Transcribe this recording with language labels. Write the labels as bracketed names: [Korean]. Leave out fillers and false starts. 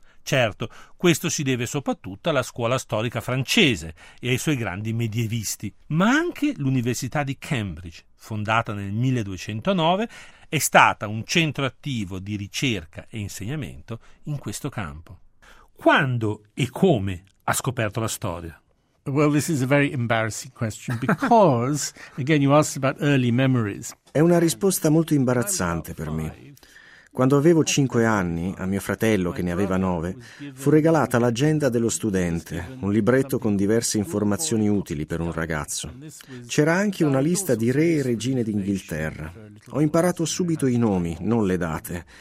[Italian] Certo, questo si deve soprattutto alla scuola storica francese e ai suoi grandi medievisti, ma anche l'Università di Cambridge, fondata nel 1209, è stata un centro attivo di ricerca e insegnamento in questo campo. Quando e come ha scoperto la storia? [English] Well, this is a very embarrassing question because, again, you asked about early memories. [Italian] È una risposta molto imbarazzante per me. Quando avevo 5 anni, a mio fratello, che ne aveva 9, fu regalata l'agenda dello studente, un libretto con diverse informazioni utili per un ragazzo. C'era anche una lista di re e regine d'Inghilterra. Ho imparato subito i nomi, non le date.